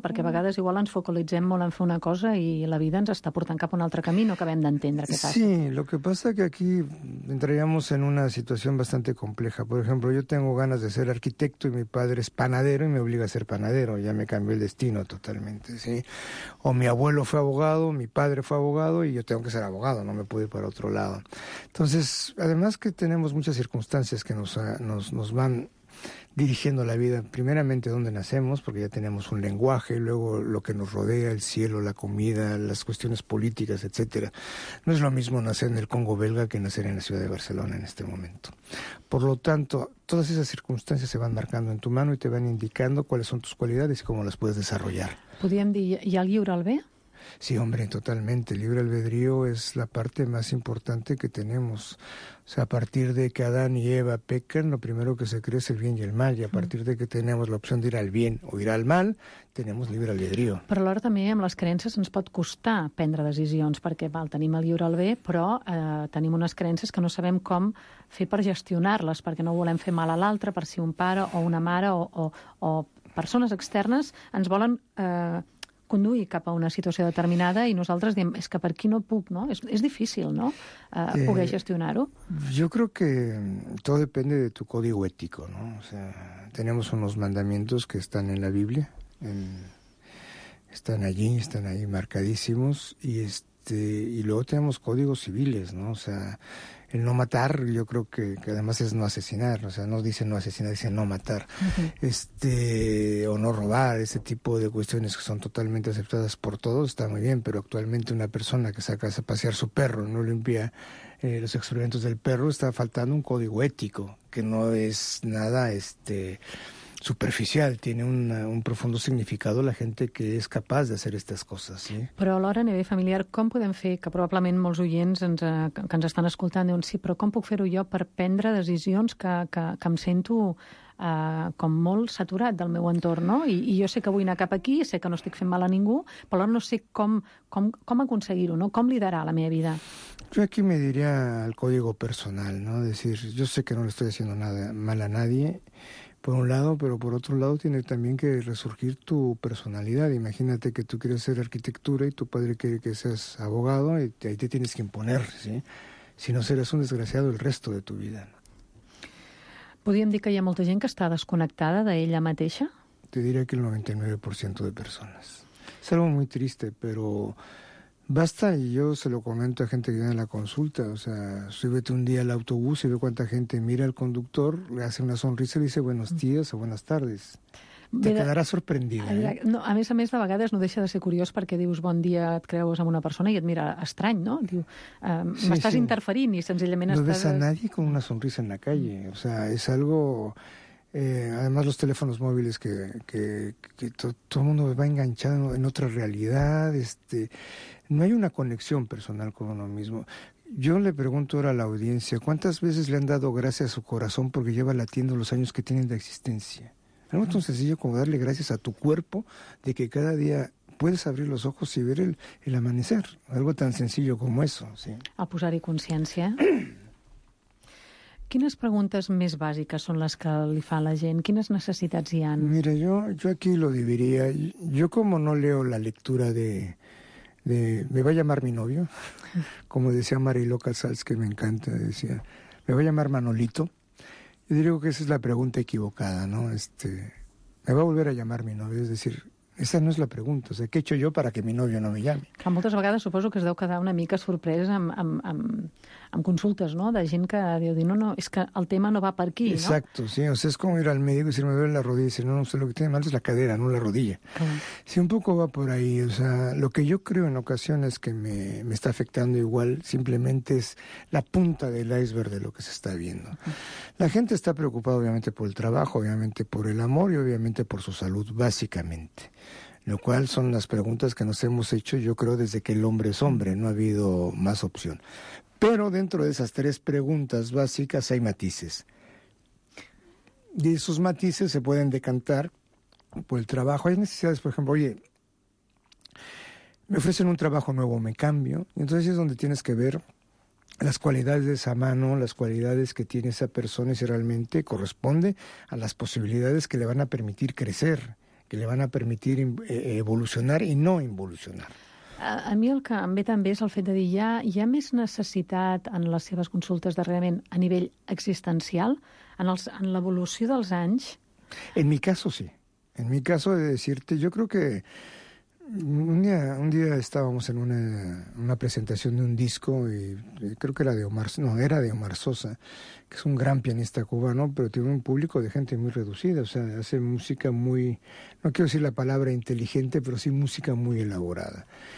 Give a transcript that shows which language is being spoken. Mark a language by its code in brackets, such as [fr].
[ca] Perquè a vegades igual ens focalitzem molt en fer una cosa i la vida ens està portant cap a un altre camí, no acabem d'entendre què passa. [es] Sí, lo que pasa que aquí entraríamos en una situación bastante compleja. Por ejemplo, yo tengo ganas de ser arquitecto y mi padre es panadero y me obliga a ser panadero. Ya me cambió el destino totalmente, ¿sí? O mi abuelo fue abogado, mi padre fue abogado y yo tengo que ser abogado, no me puedo ir para otro lado. Entonces, además que tenemos muchas circunstancias que nos van dirigiendo la vida, primeramente donde nacemos, porque ya tenemos un lenguaje, luego lo que nos rodea, el cielo, la comida, las cuestiones políticas, etcétera. No es lo mismo nacer en el Congo belga que nacer en la ciudad de Barcelona en este momento. Por lo tanto, todas esas circunstancias se van marcando en tu mano y te van indicando cuáles son tus cualidades y cómo las puedes desarrollar. [ca] ¿Podríem dir, hi ha el lliure albedrío? [es] Sí, hombre, totalmente. El libre albedrío es la parte más importante que tenemos. O sea, a partir de que Adán y Eva pecan, lo primero que se cree es el bien y el mal. Y a partir de que tenemos la opción de ir al bien o ir al mal, tenemos libre albedrío. [ca] Però alhora també amb les creences ens pot costar prendre decisions, perquè val, tenim el lliure albedrío, però tenim unes creences que no sabem com fer per gestionar-les, perquè no volem fer mal a l'altre, per si un pare o una mare o persones externes ens volen conduir cap a una situació determinada i nosaltres diem, és que per aquí no puc, no? És difícil, no? Poder gestionar-ho. [es] Yo creo que todo depende de tu código ético, ¿no? O sea, tenemos unos mandamientos que están en la Biblia, están ahí marcadísimos, y luego tenemos códigos civiles, ¿no? O sea, el no matar, yo creo que además es no asesinar, o sea, no dice no asesinar, dice no matar, uh-huh. O no robar, ese tipo de cuestiones que son totalmente aceptadas por todos, está muy bien, pero actualmente una persona que saca a pasear su perro, no limpia los excrementos del perro, está faltando un código ético, que no es nada superficial, tiene un profundo significado la gente que es capaz de hacer estas cosas, ¿sí? [ca] Però alhora, a nivell familiar, com podem fer, que probablement molts oients que ens estan escoltant diuen sí, però com puc fer-ho jo per prendre decisions que em sento com molt saturat del meu entorn, no? I jo sé que vull anar cap aquí, sé que no estic fent mal a ningú, però alhora no sé com aconseguir-ho, no? Com liderar la meva vida? [es] Yo aquí me diría al código personal, ¿no? Decir, yo sé que no le estoy haciendo nada mal a nadie, por un lado, pero por otro lado tiene también que resurgir tu personalidad. Imagínate que tú quieres hacer arquitectura y tu padre quiere que seas abogado y ahí te tienes que imponer, ¿sí? Si no, serás un desgraciado el resto de tu vida. ¿Podríem dir que hi ha molta gent que està desconnectada d'ella mateixa? Te diría que el 99% de personas. Es algo muy triste, pero basta, y yo se lo comento a gente que viene a la consulta, o sea, súbete un día al autobús y ve cuánta gente mira al conductor, le hace una sonrisa y le dice buenos días o buenas tardes. Te quedarás sorprendida, ¿eh? [ca] No, a més, de vegades no deixa de ser curiós perquè dius bon dia, et creus amb una persona i et mira estrany, no? Diu, sí, m'estàs sí. Interferint i senzillament no estàs... [es] No ves a nadie con una sonrisa en la calle, o sea, es algo... además, los teléfonos móviles que todo el mundo va enganchado en otra realidad, no hay una conexión personal con uno mismo. Yo le pregunto ahora a la audiencia, ¿cuántas veces le han dado gracias a su corazón porque lleva latiendo los años que tienen de existencia? Algo tan sencillo como darle gracias a tu cuerpo de que cada día puedes abrir los ojos y ver el amanecer. Algo tan sencillo como eso, ¿sí? [ca] A posar-hi consciència. ¿Quines preguntes més bàsiques són les que li fa la gent? ¿Quines necessitats hi ha? [es] Mira, yo aquí lo dividiría. Yo como no leo la lectura de me va a llamar mi novio, como decía Mariló Casals, que me encanta, decía, me va a llamar Manolito. Yo digo que esa es la pregunta equivocada, ¿no? Me va a volver a llamar mi novio, es decir, [ca] Aquesta no és la pregunta. O sigui, què [es] he hecho yo para que mi novio no me llame? [ca] Clar, moltes vegades suposo que es deu quedar una mica sorpresa amb consultes, no?, de gent que diu, no, és que el tema no va per aquí, [es] no? Exacto, sí. O sea, es como ir al médico y decir, me duele la rodilla. Y decir, no sé, lo que tiene mal es la cadera, no la rodilla. Sí, un poco va por ahí. O sea, lo que yo creo en ocasiones que me está afectando igual simplemente es la punta del iceberg de lo que se está viendo. La gente está preocupada, obviamente, por el trabajo, obviamente por el amor y obviamente por su salud, básicamente. Lo cual son las preguntas que nos hemos hecho, yo creo, desde que el hombre es hombre. No ha habido más opción. Pero dentro de esas tres preguntas básicas hay matices. Y esos matices se pueden decantar por el trabajo. Hay necesidades, por ejemplo, oye, me ofrecen un trabajo nuevo, me cambio. Entonces es donde tienes que ver las cualidades de esa mano, las cualidades que tiene esa persona y si realmente corresponde a las posibilidades que le van a permitir crecer, que le van a permitir evolucionar y no involucionar. [ca] A mi el que em ve també és el fet de dir hi ha més necessitat en les seves consultes darrerament a nivell existencial, en l'evolució dels anys? [es] En mi caso, sí. En mi caso, he de decirte, yo creo que un día estábamos en una presentación de un disco, y creo que era de Omar Sosa, que es un gran pianista cubano, pero tiene un público de gente muy reducida, o sea, hace música muy, no quiero decir la palabra inteligente, pero sí música muy elaborada.